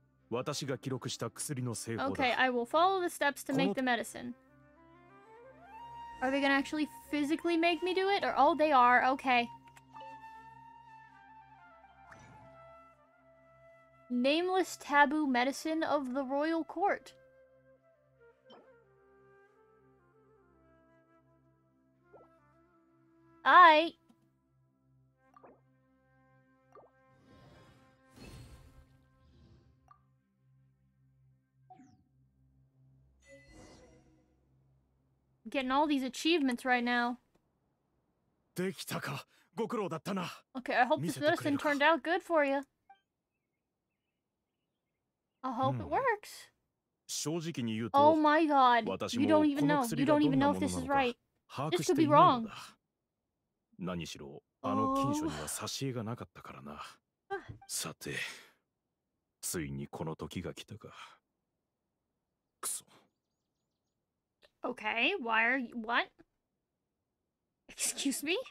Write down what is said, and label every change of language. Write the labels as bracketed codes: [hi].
[ja] 私が記録した薬の製法だ。 [en] Okay, I will follow the steps to make the medicine. Are they gonna actually physically make me do it? Or, oh, they are. Okay. Nameless taboo medicine of the royal court. I... Getting all these achievements right now. [ja] できたか。ご苦労だったな。 [en] Okay, I hope this medicine turned out good for you. I hope it works. [ja] 正直に言うと、 [en] Oh my god. You don't even know if this is right. This could be wrong. [ja] 何しろ、あの禁書には差し絵がなかったからな。さて、ついにこの時が来たか。くそ。 [en] Okay, why are you... What? Excuse me?